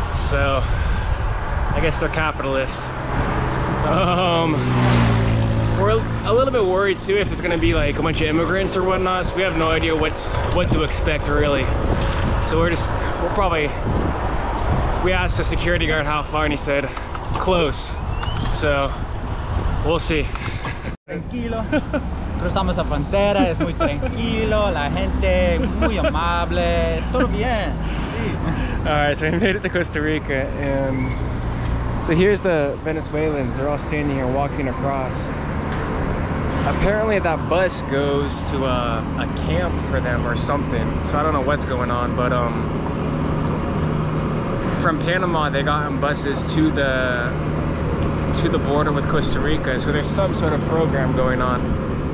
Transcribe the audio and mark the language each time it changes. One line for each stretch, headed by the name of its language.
English: So I guess they're capitalists. We're a little bit worried too if it's gonna be like a bunch of immigrants or whatnot, so we have no idea what to expect really. So we asked the security guard how far and he said close. So we'll see.
Spanish: Tranquilo. Cruzamos la frontera, es muy tranquilo, la gente muy amable, es todo bien.
English: All right, so we made it to Costa Rica, and so here's the Venezuelans. They're all standing here walking across. Apparently that bus goes to a camp for them or something, so I don't know what's going on, but from Panama they got on buses to the border with Costa Rica, so there's some sort of program going on.